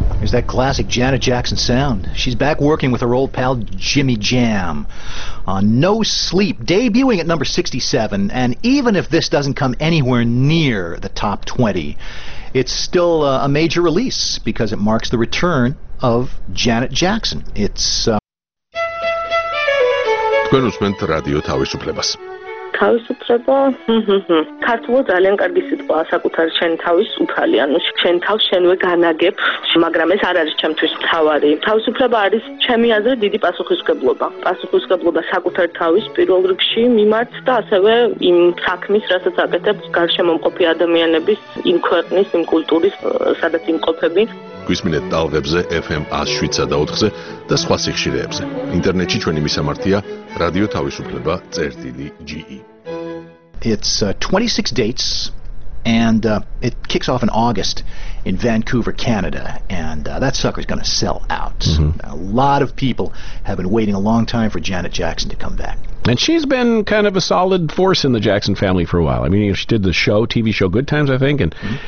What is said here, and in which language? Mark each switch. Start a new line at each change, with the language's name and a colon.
English: That classic Janet Jackson sound. She's back working with her old pal Jimmy Jam on No Sleep, debuting at number 67. And even if this doesn't come anywhere near the top 20, it's still a major release because it marks the return of Janet Jackson. It's
Georgian: თქვენ უსმენთ რადიო თავისუფლებას. თავისუფლება ქართულად ძალიან კარგი სიტყვაა, საკუთარ შენ თავის უფალი, ანუ შენ თავს შენვე განაგებ, მაგრამ ეს არ არის ჩემთვის მთავარი. თავისუფლება არის ჩემი აზრით დიდი პასუხისმგებლობა. პასუხისმგებლობა საკუთარ თავის პირველ რიგში მიმართ და ასევე იმ საქმის, რასაც აკეთებს გარშემო მყოფი ადამიანების, იმ ქვეყნის, იმ კულტურის, სადაც იმყოფები. გვისმინეთ ტალღებზე FM 107.4-ზე და სხვა სიხშირეებზე. ინტერნეტში ჩვენი მისამართია radiotavisupleba.ge.
English: It's 26 dates and it kicks off in August in Vancouver, Canada, and that sucker is going to sell out. Mm-hmm. A lot of people have been waiting a long time for Janet Jackson to come back. And she's been kind of a solid force in the Jackson family for a while. I mean, she did the show, TV show Good Times, I think, and mm-hmm.